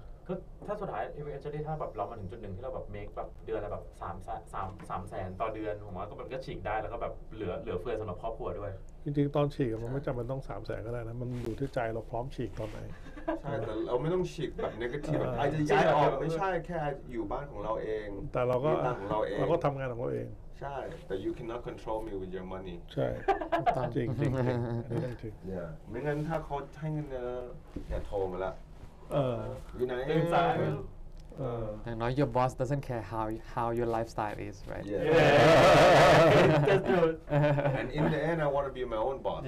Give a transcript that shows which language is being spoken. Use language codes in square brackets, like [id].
[th] ก็ถ้าสุดท้ายเอเวนเจอรี่ถ้าแบบเรามาถึงจุดหนึ่งที่เราแบบเมคแบบเดือนอะไรแบบสามแสนต่อเดือนผมว่าก็มันก็ฉีกได้แล้วก็แบบเหลือเฟือสำหรับครอบครัวด้วย จริงๆตอนฉีกมันไม่จำเป็นต้อง 300,000 ก็ได้นะมันอยู่ที่ใจเราพร้อมฉีกตอนไหน ใช่แต่เราไม่ต้องฉีกแบบ negative แบบอาจจะย้ายออกไม่ใช่แค่อยู่บ้านของเราเอง แต่เราก็ ของเราเอง เราก็ทำงานของเราเอง ใช่แต่ [en] you cannot control me with your money [th] ใช่จริงจริงจริงจริง อย่าไม่งั้นถ้าเขาให้เงินเนอะอย่าโทรมาละ อ ยู่ไหน เองสาย น้อย [en] your boss doesn't care how your lifestyle is right yeah and in the end I want to be my own boss